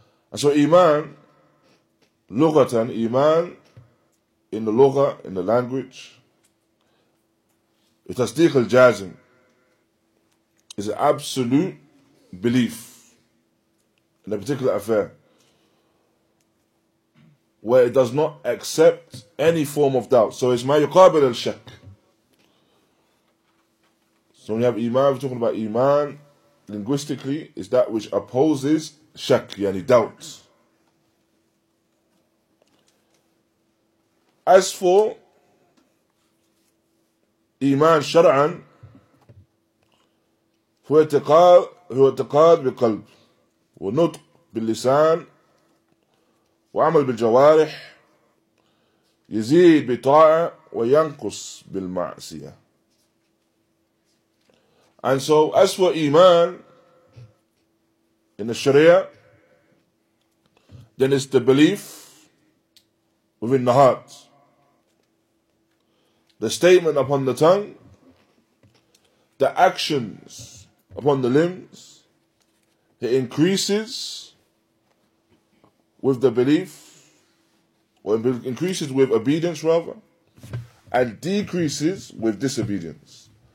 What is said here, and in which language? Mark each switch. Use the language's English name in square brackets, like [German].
[English] And so Iman, lughatan, Iman, in the lugha, in the language, itasdiq al-jazim, is an absolute belief in a particular affair, where it does not accept any form of doubt. So it's [Arabic] ما يقابل الشك. [English] So when you have Iman, we're talking about Iman, linguistically, is that which opposes shak, yani doubt. As for Iman [Arabic] شرعاً, هو اعتقاد بقلب, ونطق باللسان, وعمل بالجوارح يزيد بطاعة وينقص بالمعصية. [English] And so as for Iman in the Sharia, then it's the belief within the heart, the statement upon the tongue, the actions upon the limbs, it increases with the belief, or increases with obedience rather, and decreases with disobedience.